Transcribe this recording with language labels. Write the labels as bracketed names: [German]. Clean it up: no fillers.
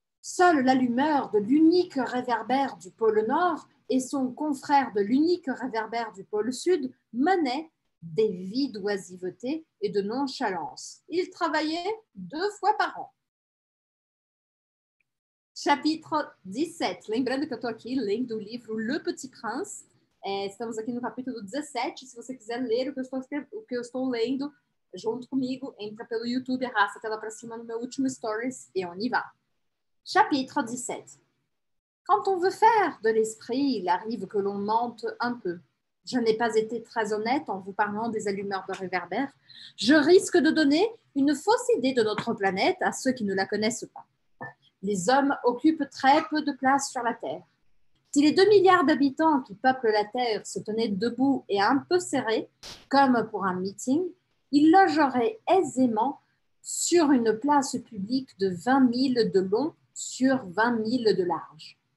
[French] Seule l'allumeur de l'unique réverbère du pôle Nord et son confrère de l'unique réverbère du pôle Sud menaient des vies d'oisiveté et de nonchalance. Ils travaillaient deux fois par an. Chapitre 17. [Portuguese] Lembrando que eu estou aqui lendo o livro Le Petit Prince. Estamos aqui no capítulo 17. Se você quiser ler o que eu estou lendo junto comigo, entra pelo YouTube, arrasta a tela para cima no meu último stories e [French] on y va. Chapitre 17. Quand on veut faire de l'esprit, il arrive que l'on mente un peu. Je n'ai pas été très honnête en vous parlant des allumeurs de réverbères. Je risque de donner une fausse idée de notre planète à ceux qui ne la connaissent pas. Les hommes occupent très peu de place sur la Terre. Si les 2 milliards d'habitants qui peuplent la Terre se tenaient debout et un peu serrés, comme pour un meeting, ils logeraient aisément sur une place publique de 20 000 de long sur 20 000 de large.